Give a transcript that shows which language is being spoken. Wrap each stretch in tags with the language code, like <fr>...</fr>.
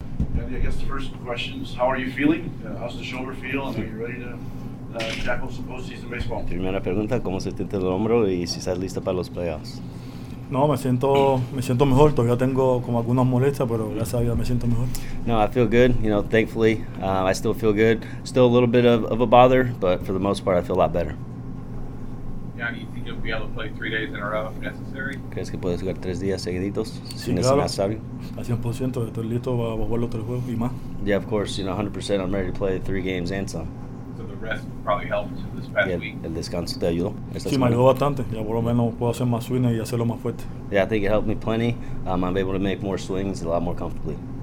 <en>Yandy, I guess the first question is, how are you feeling? How's the shoulder feel? And are you ready to tackle some postseason baseball?</en> <es>Primera pregunta, ¿cómo se siente el hombro y si estás listo para los playoffs? No, me siento mejor. Todavía tengo como algunas molestias, pero gracias a Dios me siento mejor.</es> <en>No, I feel good. You know, thankfully, I still feel good. Still a little bit of a bother, but for the most part, I feel a lot better. Yeah, do you think you'll be able to play 3 days in a row if necessary?</en> <es>¿Crees que puedes jugar 3 días seguiditos? Sí, claro. A 100% estoy listo para jugar los 3 juegos y más.</es> <en>Yeah, of course. You know, 100%. I'm ready to play 3 games and some. So the rest probably helped this past week.</en> <es>El descanso te ayudó. Sí, me ayudó bastante. Ya por lo menos puedo hacer más swings y hacerlo más fuerte.</es> <en>Yeah, I think it helped me plenty. I'm able to make more swings a lot more comfortably.</en>